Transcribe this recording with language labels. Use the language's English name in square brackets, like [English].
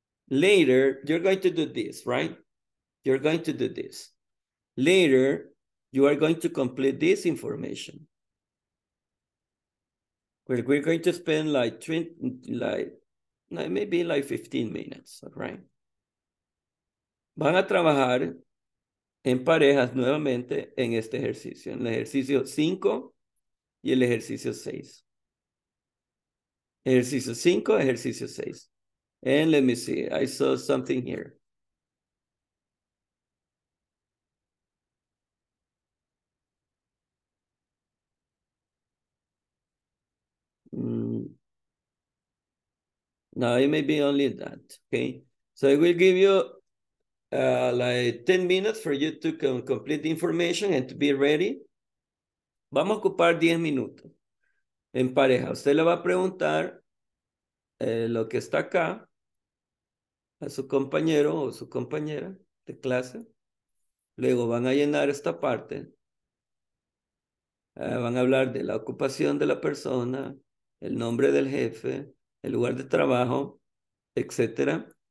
[English] Later, you're going to do this, right? You're going to do this. Later, you are going to complete this information. We're going to spend like 20, maybe 15 minutes, all right? [Spanish] Van a trabajar en parejas nuevamente en este ejercicio, en el ejercicio 5 y el ejercicio 6. Ejercicio 5, ejercicio 6. [English] And let me see, I saw something here. No, it may be only that, okay? So I will give you 10 minutes for you to complete the information and to be ready. [Spanish] Vamos a ocupar 10 minutos en pareja. Usted le va a preguntar lo que está acá a su compañero o su compañera de clase. Luego van a llenar esta parte. Van a hablar de la ocupación de la persona, el nombre del jefe, el lugar de trabajo, etcétera.